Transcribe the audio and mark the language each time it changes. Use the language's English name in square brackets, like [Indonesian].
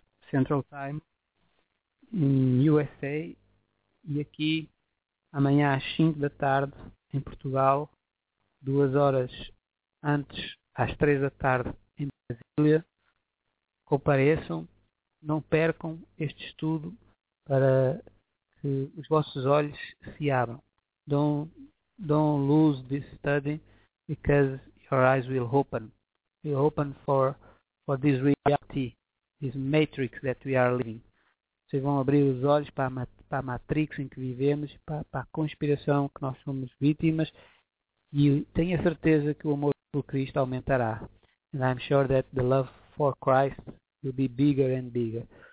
[Portuguese] Central Time in USA, e aqui amanhã às 5 da tarde em Portugal, 2 horas antes, às 3 da tarde em Brasília. Compareçam, não percam este estudo para que os vossos olhos se abram. [English] Don't lose this study because your eyes will open. Will open for this reality, this matrix that we are living. [Portuguese] Vocês vão abrir os olhos para a matrix em que vivemos, para a conspiração que nós somos vítimas, e tenho a certeza que o amor por Cristo aumentará. [English] And I'm sure that the love for Christ will be bigger and bigger.